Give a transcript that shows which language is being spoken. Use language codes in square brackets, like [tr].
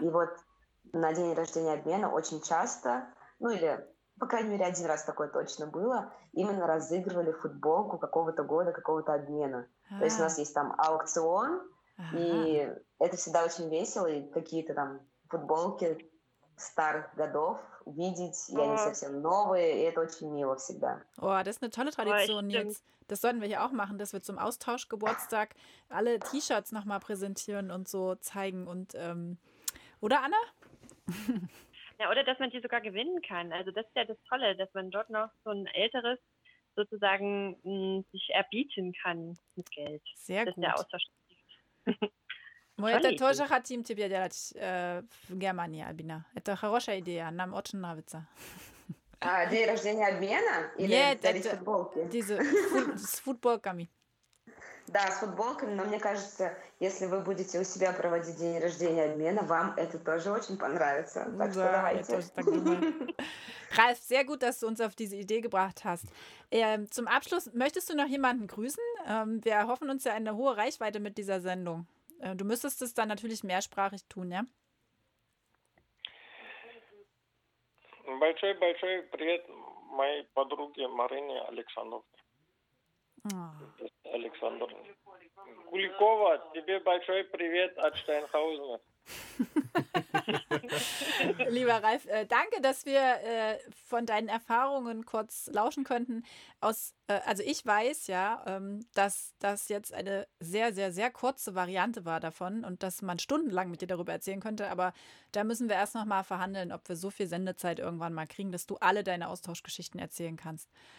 [ru] И вот на день рождения обмена очень часто, ну или, по крайней мере, один раз такое точно было, именно разыгрывали футболку какого-то года, какого-то обмена. То есть у нас есть там аукцион, и это всегда очень весело, и какие-то там футболки старых годов видеть, и они совсем новые, и это очень мило всегда. О, это очень хорошая традиция, Нильс. Это должны мы и тоже делать, что мы [de] zum Austausch-Geburtstag alle T-Shirts nochmal präsentieren und so zeigen. Und, oder, Anna? Ja, oder dass man die sogar gewinnen kann. Also das ist ja das Tolle, dass man dort noch so ein älteres sozusagen sich erbieten kann mit Geld. Sehr das gut. Das ist der Austausch. [ru] Моя это тоже хотим тебе делать в Германии, Альбина. Это хорошая идея, нам очень нравится. А день рождения обмена? Или нет, футболки? С футболками. Да, с футболками, но мне кажется, если вы будете у себя проводить день рождения обмена, вам это тоже очень понравится. Так что давайте. [de] Ralf, sehr gut, dass du uns auf diese Idee gebracht hast. Zum Abschluss, möchtest du noch jemanden grüßen? Wir erhoffen uns ja eine hohe Reichweite mit dieser Sendung. Du müsstest es dann natürlich mehrsprachig tun, ja? [ru] Большой, большой привет моей подруге Марине Александровне. Александр. Куликова, тебе большой привет от Штайнхаузена. [de] Lieber Ralf, danke, dass wir von deinen Erfahrungen kurz lauschen könnten. Also ich weiß ja, dass das jetzt eine sehr, sehr, sehr kurze Variante war davon und dass man stundenlang mit dir darüber erzählen könnte, aber da müssen wir erst noch mal verhandeln, ob wir so viel Sendezeit irgendwann mal kriegen, dass du alle deine Austauschgeschichten erzählen kannst.